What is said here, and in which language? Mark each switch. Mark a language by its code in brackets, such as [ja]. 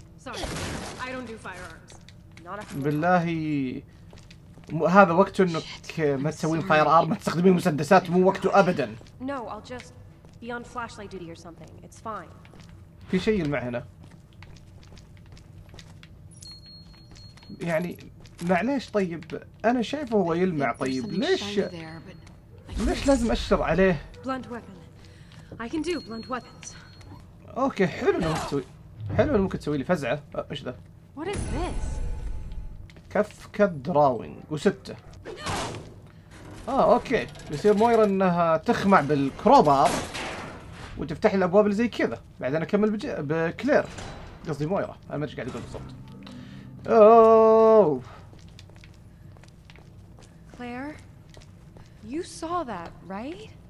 [en] Sorry, I don't do firearms. Not after. [ar] بالله هذا وقته إنك ما تسوين فاير آر ما تستخدمين مسدسات مو وقته أبداً. [en] No, I'll just be on flashlight duty or something. It's fine. [ar] في شيء مع هنا. يعني معليش طيب أنا شايفه هو يلمع طيب ليش لازم أشر عليه؟ [en] Blunt weapon. I can do blunt weapons. [ar] اوكي حلو انه ممكن تسوي لي فزعه. ايش ذا؟ [en] What is this? Kafka drawing وسته. [ar] اوكي يصير مويرا انها تخمع بالكروبار وتفتح الابواب اللي زي كذا بعدين اكمل بكلير قصدي مويرا، انا ما ادري ايش قاعد اقول بالضبط. اوه [en] Claire, you saw that, right?